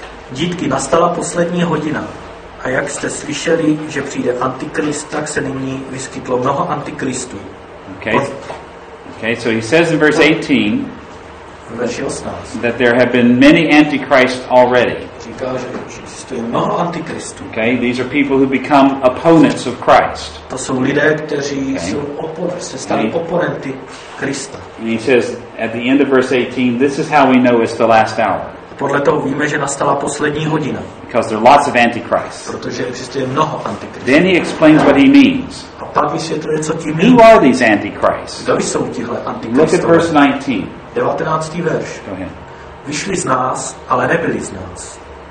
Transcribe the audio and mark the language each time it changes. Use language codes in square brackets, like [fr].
[cs] Dítky, nastala poslední hodina. A jak jste slyšeli, že přijde antikrist, tak se nyní vyskytlo mnoho antikristů. [en] Okay. Okay, so he says in verse 18, [cs] verši 18, [en] that there have been many antichrists already. [cs] Říká, že existuje mnoho antikristů. [en] Okay, these are people who become opponents of Christ. [cs] To jsou lidé, kteří se stali oponenty Krista. [en] And he says at the end of verse 18, this is how we know it's the last hour. [cs] Podle toho víme, že nastala poslední hodina. [en] Because there are lots of antichrists. [cs] Protože existuje mnoho antikristů. [en] Then he explains what he means. [cs] A pak vysvětluje, co tím mýlí. [en] Who are these antichrists? [cs] Kdo jsou tihle antikristové? [en] Look at verse 19. [cs] 19. verš. Vyšli z nás, ale nebyli z nás.